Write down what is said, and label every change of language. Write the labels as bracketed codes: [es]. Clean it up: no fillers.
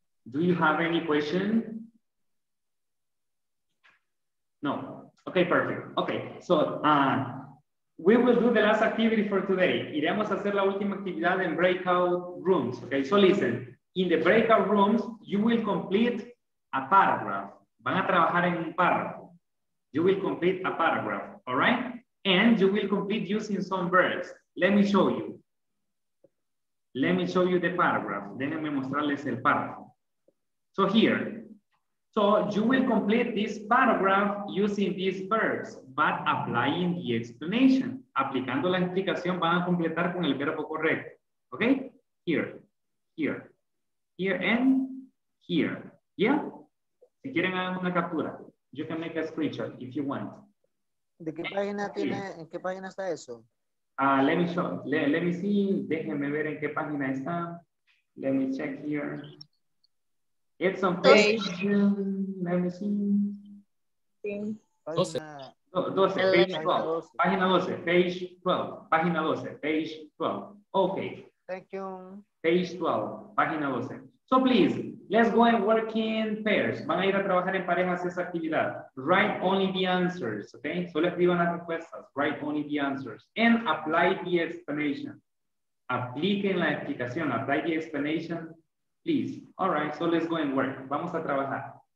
[en] Do you have any question? No. Okay, perfect. Okay, so, we will do the last activity for today. [es] Iremos a hacer la última actividad en breakout rooms. [en] Okay, so listen. In the breakout rooms, you will complete a paragraph. [es] Van a trabajar en un párrafo. [en] You will complete a paragraph, all right? And you will complete using some verbs. Let me show you. Let me show you the paragraph. [es] Déjenme mostrarles el párrafo. [en] So here. So you will complete this paragraph using these verbs, but applying the explanation. [es] Aplicando la explicación, van a completar con el verbo correcto. [en] Okay? Here, here, here and here. Yeah? [es] Si quieren hagan una captura. [en] You can make a screenshot if you want. [es] ¿De qué página tiene, en qué página está eso? [en] Let me show, let me see, [es] déjenme ver en qué página está. [en] Let me check here. It's on page, let me see. [es] Página 12, [en] page 12. [es] Página 12, [en] page 12. [es] Okay. [en] Thank you. Page 12, [es] página 12. [en] So please, let's go and work in pairs. [es] Van a ir a trabajar en parejas esa actividad. [en] Write only the answers, okay? [es] Solo escriban las respuestas. [en] Write only the answers. And apply the explanation. [es] Apliquen la explicación. [en] Apply the explanation. Please. All right. So let's go and work. [es] Vamos a trabajar.